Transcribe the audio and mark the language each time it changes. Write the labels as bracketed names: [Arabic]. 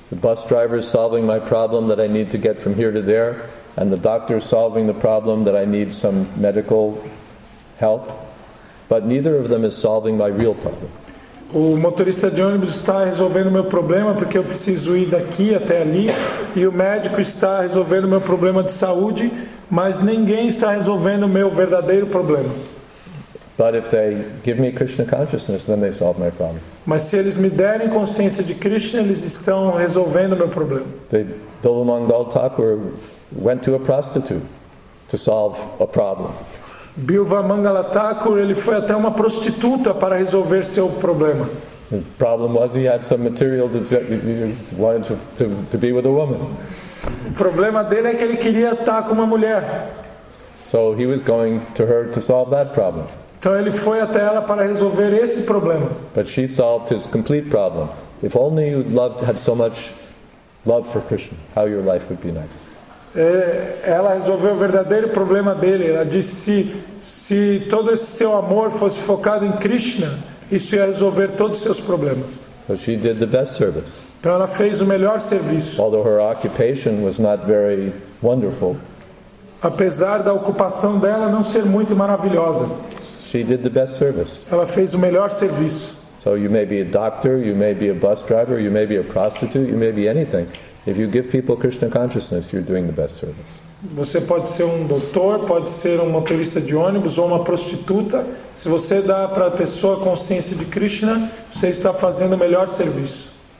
[English] The bus driver is solving my problem that I need to get from here to there, and the doctor is solving the problem that I need some medical help, but neither of them is solving my real problem. [Portuguese] O motorista de ônibus está resolvendo meu problema porque eu preciso ir daqui até ali, e o médico está resolvendo meu problema de saúde, mas ninguém está resolvendo meu verdadeiro problema. [English] But if they give me Krishna consciousness, then they solve my problem. [Portuguese] Mas se eles me derem consciência de Krishna, eles estão resolvendo meu problema. [English] Dilmangal Thakur went to a prostitute to solve a problem. [Portuguese] Bilva Mangala Thakur, ele foi até uma prostituta para resolver seu problema. [English] The problem was he had some material that he wanted to be with a woman. [Portuguese] O problema dele é que ele queria estar com uma mulher. [English] So he was going to her to solve that problem. [Portuguese] Então ele foi até ela para resolver esse problema. [English] But she solved his complete problem. If only you loved, had so much love for Krishna, how your life would be nice. [Portuguese] Ela resolveu o verdadeiro problema dele. Ela disse, se todo esse seu amor fosse focado em Krishna, isso ia resolver todos os seus problemas. [English] But she did the best service. [Portuguese] Então ela fez o melhor serviço. [English] Although her occupation was not very wonderful. [Portuguese] Apesar da ocupação dela não ser muito maravilhosa. [English] She did the best service. [Portuguese] Ela fez o melhor serviço. [English] So you may be a doctor, you may be a bus driver, you may be a prostitute, you may be anything. If you give people Krishna consciousness, you're doing the best service. [Portuguese] Você pode ser um doutor, pode ser um motorista de ônibus ou uma prostituta. Se você dá para a pessoa consciência de Krishna, você está fazendo o melhor serviço.